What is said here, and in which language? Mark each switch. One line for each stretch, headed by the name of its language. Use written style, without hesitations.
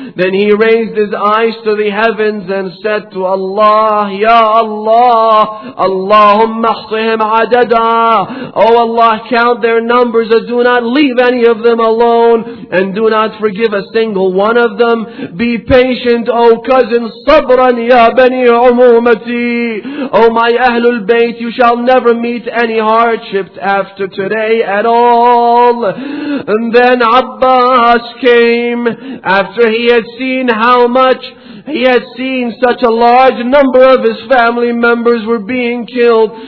English: Then he raised his eyes to the heavens and said to Allah,
Arabic: "Ya Allah, Allahumma ahsihim adada."
English: "Oh Allah, count their numbers and do not leave any of them alone, and do not forgive a single one of them. Be patient, O cousin,
Arabic: صبراً يا بني عمومتي.
English: O my Ahlul Bayt, you shall never meet any hardships after today at all. And then Abbas came after he had seen how much he had seen such a large number of his family members were being killed.